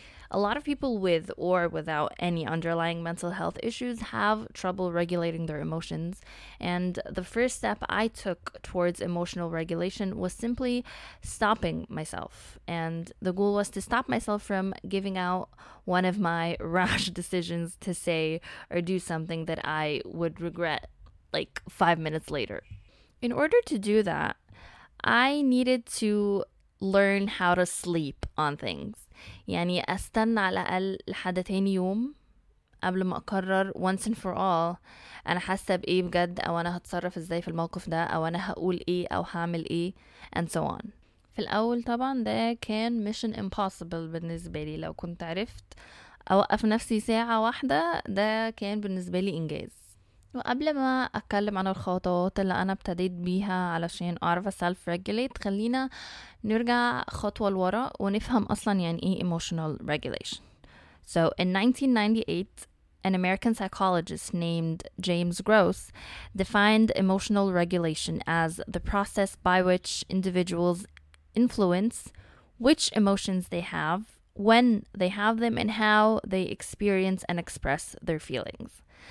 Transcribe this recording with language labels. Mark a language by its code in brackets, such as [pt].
[en] A lot of people with or without any underlying mental health issues have trouble regulating their emotions, and the first step I took towards emotional regulation was simply stopping myself, and the goal was to stop myself from giving out one of my rash decisions to say or do something that I would regret like 5 minutes later. In order to do that, I needed to learn how to sleep on things. [ar] يعني أستنى على الأقل لحدتين يوم قبل ما أقرر [en] once and for all [ar] أنا حاسة بإيه بجد أو أنا هتصرف إزاي في الموقف ده أو أنا هقول إيه أو هعمل إيه [en] and so on. [ar] في الأول طبعا ده كان [en] mission impossible [ar] بالنسبة لي. لو كنت عرفت أوقف نفسي ساعة واحدة ده كان بالنسبة لي إنجاز. وقبل ما أتكلم عن الخطوات اللي أنا ابتديت بيها علشان أعرف self-regulate، خلينا نرجع خطوة لورا ونفهم أصلاً يعني إيه emotional regulation. [en] So in 1998, an American psychologist named James Gross defined emotional regulation as the process by which individuals influence which emotions they have, when they have them, and how they experience and express their feelings.